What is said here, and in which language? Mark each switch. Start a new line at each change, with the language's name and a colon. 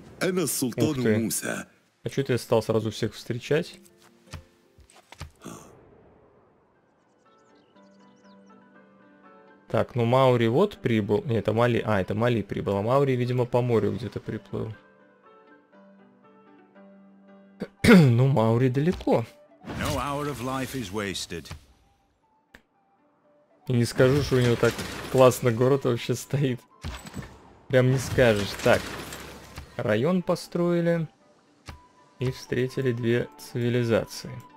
Russian: Ух ты. А что ты стал сразу всех встречать? Так, ну Маури вот прибыл. Не, это Мали. А, это Мали прибыл. А Маури, видимо, по морю где-то приплыл. Ну, Маури далеко.
English: No hour of life is wasted.
Russian: И не скажу, что у него так классно город вообще стоит. Прям не скажешь. Так, район построили. И встретили две цивилизации.